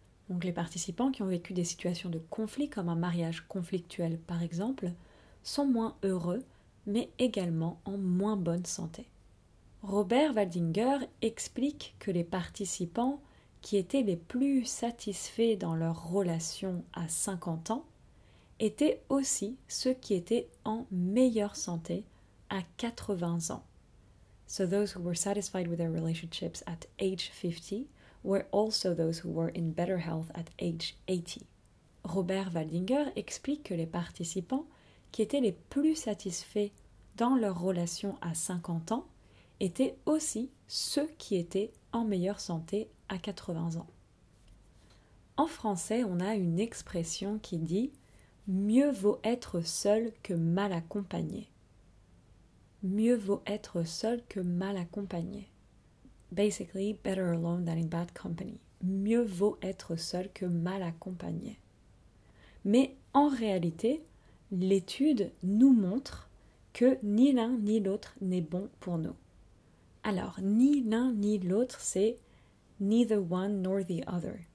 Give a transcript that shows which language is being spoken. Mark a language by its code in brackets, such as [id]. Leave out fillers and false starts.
[fr] Donc les participants qui ont vécu des situations de conflit, comme un mariage conflictuel, par exemple, sont moins heureux, mais également en moins bonne santé. Robert Waldinger explique que les participants qui étaient les plus satisfaits dans leur relation à 50 ans étaient aussi ceux qui étaient en meilleure santé à 80 ans. [en] So those who were satisfied with their relationships at age 50 were also those who were in better health at age 80. [fr] Robert Waldinger explique que les participants qui étaient les plus satisfaits dans leur relation à 50 ans étaient aussi ceux qui étaient en meilleure santé à 80 ans. En français, on a une expression qui dit « mieux vaut être seul que mal accompagné ». Mieux vaut être seul que mal accompagné. [en] Basically, better alone than in bad company. [fr] Mieux vaut être seul que mal accompagné. Mais en réalité, l'étude nous montre que ni l'un ni l'autre n'est bon pour nous. Alors, ni l'un ni l'autre, c'est [en] neither one nor the other.